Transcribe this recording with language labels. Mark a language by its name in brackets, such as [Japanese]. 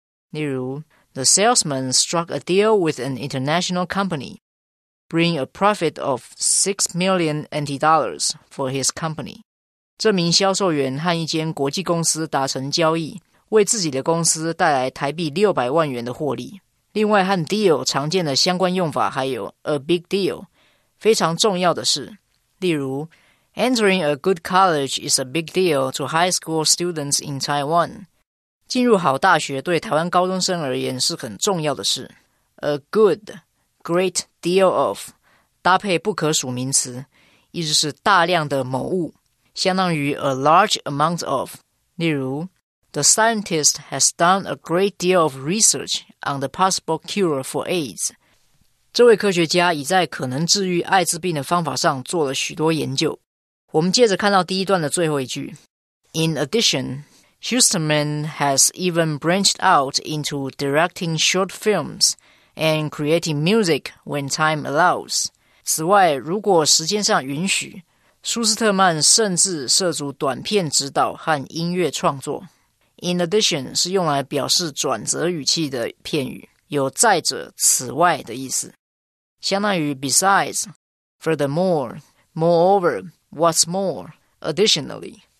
[Chinese] 例如 [English] ,the salesman struck a deal with an international company, bring a profit of $6 million for his company. [Chinese] 这名销售员和一间国际公司达成交易，为自己的公司带来台币600万元的获利。另外和 deal 常见的相关用法还有 [English] a big deal, [Chinese] 非常重要的事。例如 [English] ,entering a good college is a big deal to high school students in Taiwan. [Chinese] 进入好大学对台湾高中生而言是很重要的事。 [English] A good, great deal of, [Chinese] 搭配不可数名词意思是大量的某物相当于 [English] a large amount of, [Chinese] 例如 [English] The scientist has done a great deal of research on the possible cure for AIDS. [Chinese] 这位科学家已在可能治愈艾滋病的方法上做了许多研究。我们接着看到第一段的最后一句。 [English] In addition, Huston has even branched out into directing short films and creating music when time allows. [Chinese] 此外，如果时间上允许，舒斯特曼甚至涉足短片指导和音乐创作。 [English] In addition [Chinese] 是用来表示转折语气的片语，有再者、此外的意思，相当于 [English] besides, furthermore, moreover, what's more, additionally.